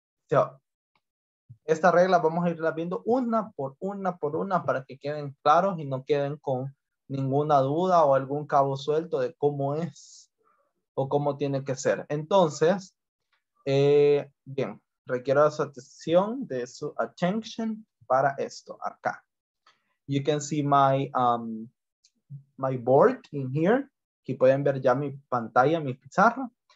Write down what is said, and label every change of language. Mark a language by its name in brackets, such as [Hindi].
[Spanish] So, esta regla vamos a irla viendo una por una por una para que queden claros y no queden con ninguna duda o algún cabo suelto de cómo es o cómo tiene que ser. Entonces, bien, requiero su atención, de su attention para esto, acá. [English] You can see my my board in here. [Spanish] Aquí pueden ver ya mi pantalla, mi pizarra.